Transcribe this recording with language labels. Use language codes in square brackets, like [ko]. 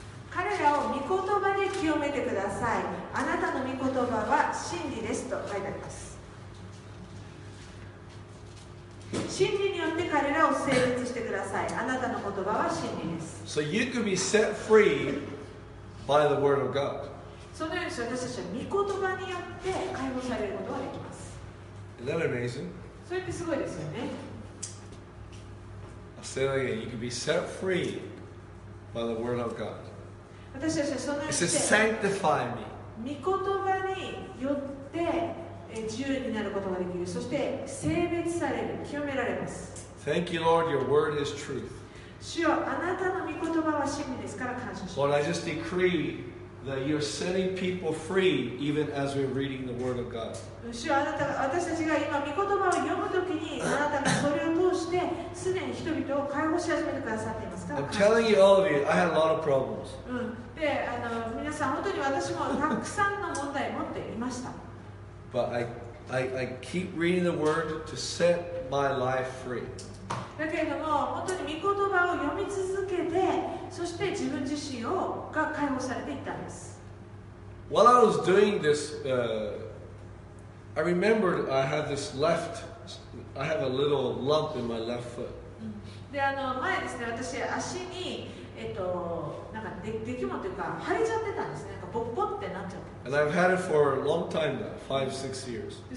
[ja] 彼らを御言葉で清めてください。あなたの御言葉は真理ですと書いてあります。真理によって彼らを聖別してください。あなたの言葉は真理です。 [en] So you can be set free by the word of God. [ja] そのように私たちは御言葉によって解放されることができます。 [en] Isn't that amazing? [ja] それってすごいですよね。 [en] I'll say it again. You can be set free by the word of God. [ja] 私たちはそのようにして。 [en] It says sanctify me. [ja] 御言葉によって自由になることができる。そして聖別される、清められます。 [en] Thank you, Lord. Your word is truth. [ja] 主よ、あなたの御言葉は真理ですから感謝します。 [en] Lord, I just decree that you're setting people free even as we're reading the word of God. [ja] 主よ、あなたが私たちが今御言葉を読むときに、あなたがそれを通してすでに人々を解放し始めてくださっていますから感謝します。 [en] I'm telling you, all of you, I had a lot of problems. [ja] で、皆さん本当に私もたくさんの問題持っていました。 [en] But I keep reading the word to set my life free. [ja] だけども本当に御言葉を読み続けて、そして自分自身をが解放されていったんです。 [en] While I was doing this, I remembered I have this left, I have a little lump in my left foot. [ja] で、前ですね、私足に、なんか出来物というか腫れちゃってたんですね。なんかボッボッってなっちゃって。 [en] And I've had it for a long time now, 5-6 years.